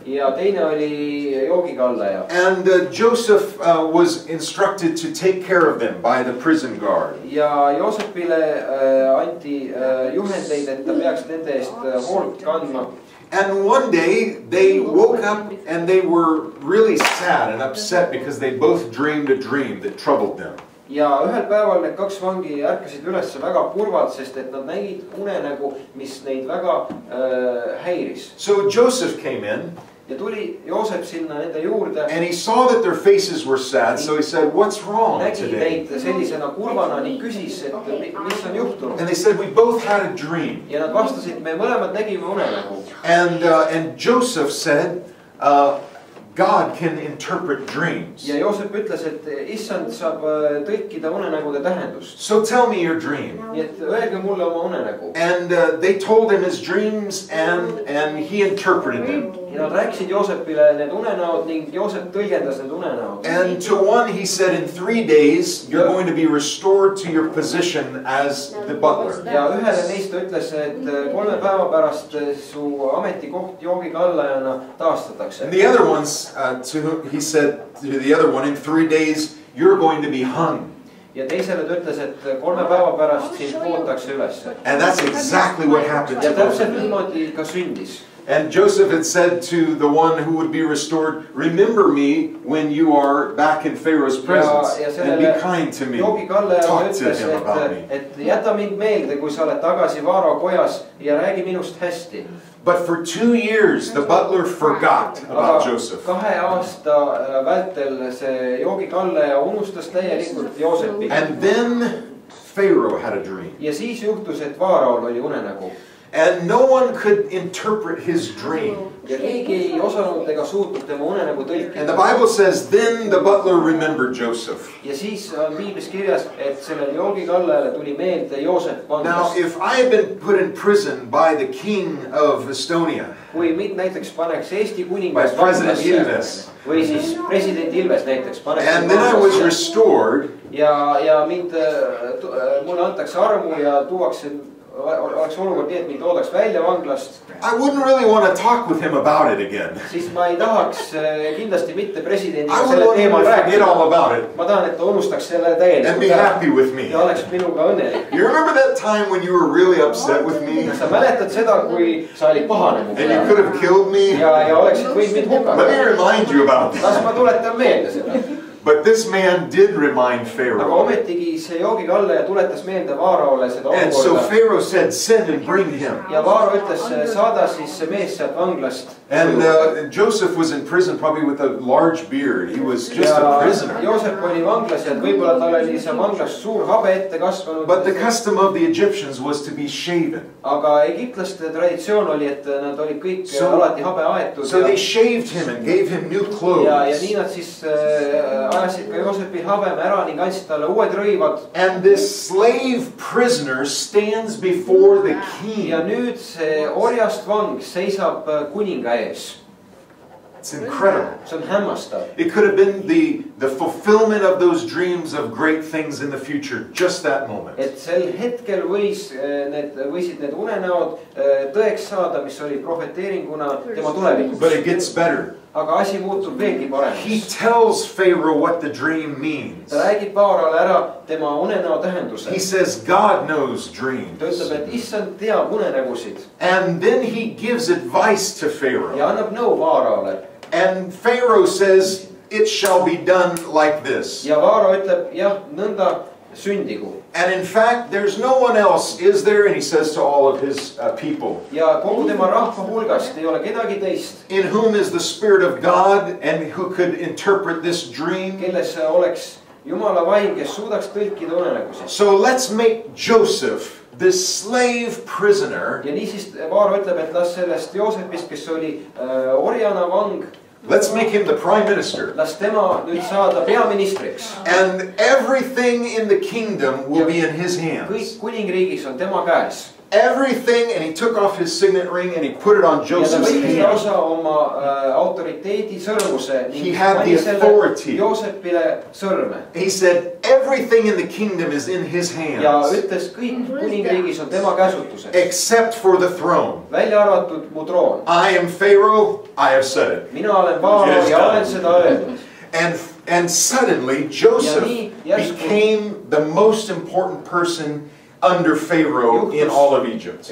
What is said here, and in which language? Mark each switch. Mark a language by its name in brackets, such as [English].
[Estonian] Ja teine oli joogikallaja. [English] And Joseph was instructed to take care of them by the prison guard. [Estonian] Ja Joosepile anti juhendeid, et ta peaks nende eest hoolt kandma. [English] And one day they woke up and they were really sad and upset because they both dreamed a dream that troubled them. [Estonian] Ja ühel päeval need kaks vangi ärkasid üles väga kurvalt, sest et nad nägid unenägu, mis neid väga häiris. [English] So Joseph came in. [Estonian] Ja tuli Joosep sinna nende juurde. [English] And he saw that their faces were sad, so he said, what's wrong today? [Estonian] Nägi neid sellisena kurvana ning küsis, et mis on juhtunud. [English] And they said, we both had a dream. [Estonian] Ja nad vastasid, me mõlemad nägime unenägu. [English] And Joseph said, God can interpret dreams. [Estonian] Ja Joosep ütles, et Issand saab tõlkida unenägude tähendust. [English] So tell me your dream. [Estonian] Et öelge mulle oma unenägu. [English] And they told him his dreams and he interpreted them. [Estonian] Ja nad rääksid Joosepile need unenäod ning Joosep tõlgendas need unenäod. [English] And to one he said, in 3 days you're going to be restored to your position as the butler. [Estonian] Ja ühele neist ütles, et 3 päeva pärast su ametikoht joogikallajana taastatakse. [English] And the other ones he said to the other one, in 3 days you're going to be hung. [Estonian] Ja teisele ütles, et 3 päeva pärast siin pootakse üles. [English] And that's exactly what happened. [Estonian] Ja täpselt niimoodi ka sündis. [English] And Joseph had said to the one who would be restored, remember me when you are back in Pharaoh's presence and be kind to me. Talk to him about me. [Estonian] Et jäta mind meelde, kui sa oled tagasi Vaaro kojas ja räägi minust hästi. [English] But for 2 years, the butler forgot about Joseph. [Estonian] Kahe aasta vältel see joogikallaja unustas täielikult Joosepi. [English] And then Pharaoh had a dream. [Estonian] Ja siis juhtus, et Vaarol oli unenägu. [English] And no one could interpret his dream. [Estonian] Ja keegi ei osanud ega suutnud tema unenägu tõlkida. [English] And the Bible says, then the butler remembered Joseph. [Estonian] Ja siis on Biiblis kirjas, et sellel joogikallajale tuli meelde Joosep vanglast. [English] Now, if I had been put in prison by the king of Estonia, [Estonian] kui mind näiteks paneks Eesti kuningas vanglasse, või siis president Ilves näiteks paneks [English] and then I was restored, [Estonian] ja mind, mulle antakse armu ja tuuakse oleks olukord nii, et mind oodaks välja vanglast. [English] I wouldn't really want to talk with him about it again. [Estonian] Siis ma ei tahaks kindlasti mitte presidendiga selle teema rääkida. Ma tahan, et ta unustaks selle täielikult. [English] And be happy with me. [Estonian] Ja oleks minuga õnnelik. [English] You remember that time when you were really upset with me? [Estonian] Sa mäletad seda, kui sa olid pahane mu. [English] And you could have killed me. [Estonian] Ja oleks võinud mind hukata. [English] Let me remind you about this. [Estonian] Las ma tuletan meelde seda. [English] But this man did remind Pharaoh. [Estonian] Aga ometigi see joogikallaja tuletas meelde Vaaraole seda olukorda. [English] And so Pharaoh said, send and bring him. [Estonian] Ja Vaaro ütles, saada siis see mees sealt vanglast. [English] And Joseph was in prison probably with a large beard. He was just a prisoner. [Estonian] Joseph oli vanglas ja võib-olla tal oli see vanglas suur habe ette kasvanud. [English] But the custom of the Egyptians was to be shaven. [Estonian] Aga egiptlaste traditsioon oli, et nad olid kõik alati habe aetud. [English] So they shaved him and gave him new clothes. [Estonian] Ja nii nad siis ajasid ka Joosepi habem ära ning andsid talle uued rõivad. [English] And this slave prisoner stands before the king. [Estonian] Ja nüüd see orjast vang seisab kuninga. [English] It's incredible. [Estonian] See on hämmastav. [English] It could have been the fulfillment of those dreams of great things in the future, just that moment. [Estonian] Et sel hetkel võisid need unenäod tõeks saada, mis oli profeteeringuna tema tulevikus. [English] But it gets better. [Estonian] Aga asi muutub veelgi paremaks. [English] He tells Pharaoh what the dream means. [Estonian] Ta räägib Faarole ära tema unenäo tähenduse. [English] He says God knows dreams. [Estonian] Ta ütleb, et Issand teab unenägusid. [English] And then he gives advice to Pharaoh. [Estonian] Ja annab nõu Faarole. [English] And Pharaoh says it shall be done like this. [Estonian] Ja Faaro ütleb, jah, nõnda sündigu. [English] And in fact, there's no one else, is there? And he says to all of his people. [Estonian] Ja kogu tema rahva hulgast ei ole kedagi teist. [English] In whom is the Spirit of God and who could interpret this dream? [Estonian] Kelles oleks Jumala vaim, kes suudaks tõlkida unenägusid. [English] So let's make Joseph the slave prisoner. [Estonian] Ja nii siis Vaar ütleb, et las sellest Joosepist, kes oli orjana vang. [English] Let's make him the prime minister. [Estonian] Las tema nüüd saada peaministriks. [English] And everything in the kingdom will be in his hands. [Estonian] Kõik kuningriigis on tema käes. [English] Everything, and he took off his signet ring and he put it on Joseph's hand. [Estonian] Ja ta võis osa oma autoriteeti sõrmuse. [English] He had the authority. [Estonian] Joosepile sõrme. [English] He said, everything in the kingdom is in his hands. [Estonian] Ja ütles, kõik kuningriigis on tema käsutuses. [English] Except for the throne. [Estonian] Välja arvatud mu troon. [English] I am Pharaoh, I have said it. [Estonian] Mina olen Faarao ja olen seda öelnud. [English] And suddenly Joseph became the most important person under Pharaoh in all of Egypt.